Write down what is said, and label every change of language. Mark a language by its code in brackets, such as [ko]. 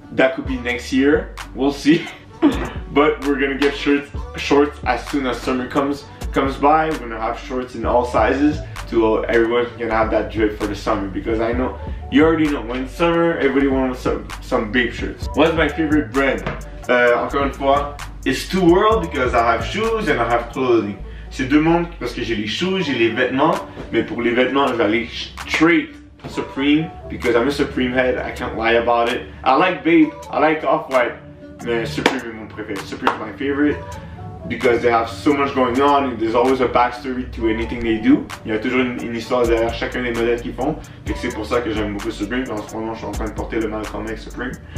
[en] That could be next year. We'll see. But we're gonna get shorts as soon as summer comes by. We're gonna have shorts in all sizes to everyone can have that drip for the summer. Because I know, you already know, when summer, everybody wants some babe shirts. What's my favorite brand? [fr] Encore une fois, [en] it's two worlds because I have shoes and I have clothing. [fr] C'est deux mondes parce que j'ai les shoes, j'ai les vêtements. Mais pour les vêtements, j'allais straight Supreme [en] because I'm a Supreme head. I can't lie about it. I like babe, I like off-white. [fr] Mais Supreme est mon préféré. [en] Supreme is my favorite because they have so much going on and there's always a backstory to anything they do. [fr] Il y a toujours une histoire derrière chacun des modèles qu'ils font. Et c'est pour ça que j'aime beaucoup Supreme. En ce moment, je suis en train de porter le Malcolm X Supreme.